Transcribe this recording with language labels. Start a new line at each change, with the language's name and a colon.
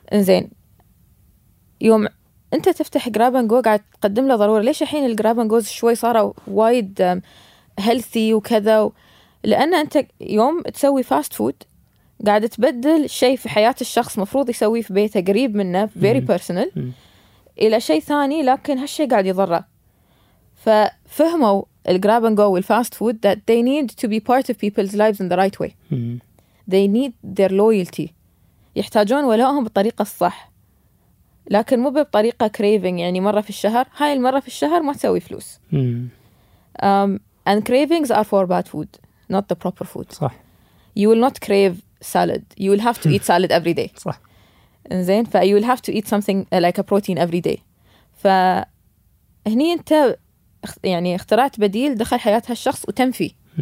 Arabic: إنزين يوم أنت تفتح جرابن جو قاعد تقدم له ضرورة، ليش الحين الجرابن جوز شوي صار وايد هيلثي وكذا؟ لأن أنت يوم تسوي فاست فود قاعد تبدل شيء في حياة الشخص مفروض يسويه في بيته قريب منه
English: very personal
Arabic: إلى شيء ثاني، لكن هالشيء قاعد يضره. ففهموا الجرابن جو والفاست فود
English: that they need to be part of people's lives in the right way. They need their loyalty.
Arabic: يحتاجون ولاءهم بالطريقة الصح، لكن مو بطريقة craving يعني مرة في الشهر، هاي المرة في الشهر ما تسوي فلوس.
English: And cravings are for bad food, not the proper food.
Arabic: صح.
English: You will not crave salad. You will have to eat salad every day.
Arabic: صح.
English: إنزين، ف you will have to eat something like a protein every day.
Arabic: فهني أنت يعني اخترعت بديل دخل حياة هالشخص وتنفي.